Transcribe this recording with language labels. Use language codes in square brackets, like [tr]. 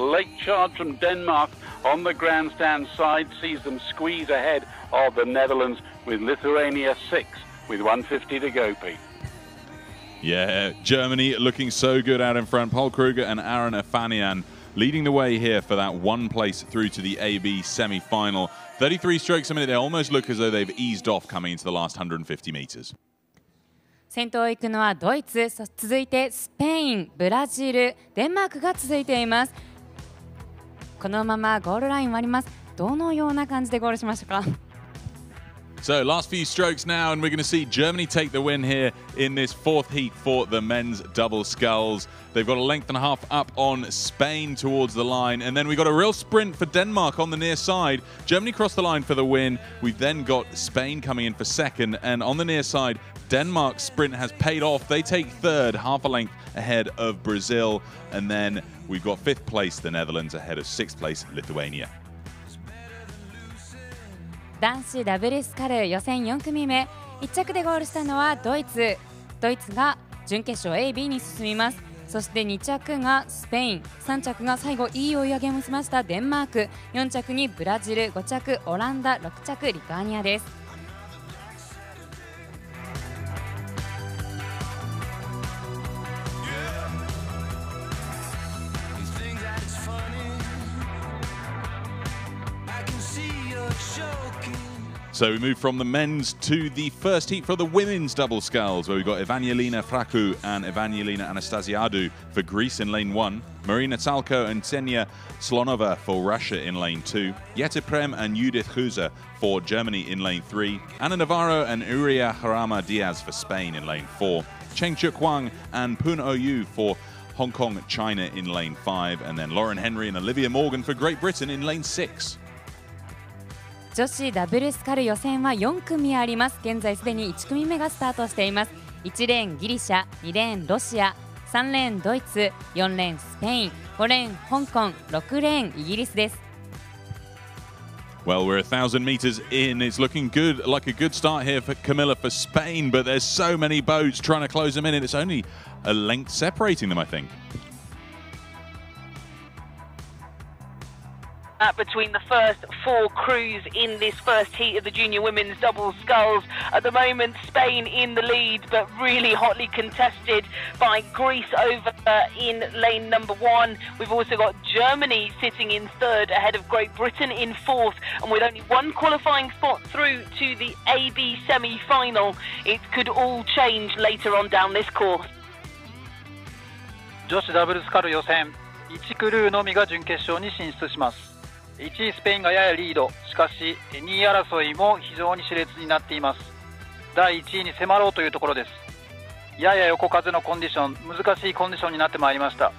[en] A late charge from Denmark on the grandstand side sees them squeeze ahead of the Netherlands, with Lithuania six with 150 to go, Pete. Yeah, Germany looking so good out in front. Paul Kruger and Aaron Afanian leading the way here for that one place through to the AB semi-final. 33 strokes a minute. They almost look as though they've eased off coming into the last 150 metres. [ja] 先頭を行くのはドイツ、続いてスペイン、ブラジル、デンマークが続いています。このままゴールライン割ります。どのような感じでゴールしましたか？ [en] So, last few strokes now, and we're going to see Germany take the win here in this fourth heat for the men's double sculls. They've got a length and a half up on Spain towards the line, and then we've got a real sprint for Denmark on the near side. Germany crossed the line for the win. We've then got Spain coming in for second, and on the near side, Denmark's sprint has paid off. They take third, half a length ahead of Brazil, and then we've got fifth place, the Netherlands, ahead of sixth place, Lithuania. [ja] 男子ダブルスカル予選4組目、1着でゴールしたのはドイツ。ドイツが準決勝 AB に進みます。そして2着がスペイン、3着が最後いい追い上げを見せましたデンマーク、4着にブラジル、5着オランダ、6着リトアニアです。 [en] So we move from the men's to the first heat for the women's double sculls, where we've got Evangelina Fraku and Evangelina Anastasiadou for Greece in lane one, Marina Tsalko and Tsenia Slonova for Russia in lane two, Jette Prem and Judith Huse for Germany in lane three, Anna Navarro and Uria Jarama Diaz for Spain in lane four, Cheng Chuk Wang and Poon Ouyou for Hong Kong, China in lane five, and then Lauren Henry and Olivia Morgan for Great Britain in lane six. [ja] 女子ダブルスカル予選は4組あります。現在すでに1組目がスタートしています。 1レーンギリシャ、2レーンロシア、3レーンドイツ、4レーンスペイン、5レーン香港、6レーンイギリスです。 [en] Well, we're 1,000 meters in. It's looking good, like a good start here for Camilla for Spain, but there's so many boats trying to close them in, and it's only a length separating them, I think. Between the first four crews in this first heat of the junior women's double sculls. At the moment, Spain in the lead, but really hotly contested by Greece over in lane number one. We've also got Germany sitting in third ahead of Great Britain in fourth, and with only one qualifying spot through to the AB semi-final, it could all change later on down this course. [ja] 女子ダブルスカル予選、1クルーのみが準決勝に進出します。 1位スペインがややリード、しかし2位争いも非常に熾烈になっています。第1位に迫ろうというところです。やや横風のコンディション、難しいコンディションになってまいりました。